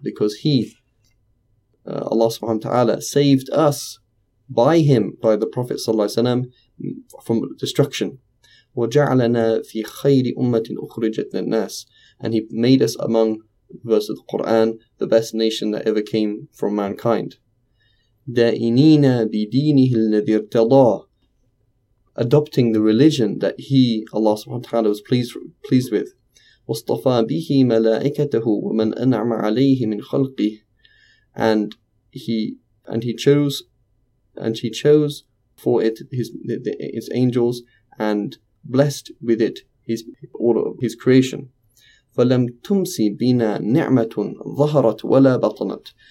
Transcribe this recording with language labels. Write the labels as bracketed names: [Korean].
[English] Because Allah subhanahu wa ta'ala, saved us by him, by the Prophet sallallahu alayhi wa sallam, from destruction. [Arabic] وَجَعْلَنَا فِي خَيْرِ أُمَّةٍ أُخْرِجَتْ لِلنَّاسِ. [English] And he made us among, verse of the Quran, the best nation that ever came from mankind. [Arabic] دائنين بدينه الذي ارتضاه. [English] Adopting the religion that he, Allah subhanahu wa ta'ala, was pleased with. [Arabic] واصطفى به ملائكته ومن أنعم عليه من خلقه. [English] And he chose for it his angels and blessed with it his all of his creation. [Arabic] فلم تمسي بنا نعمة ظهرت ولا بطنت.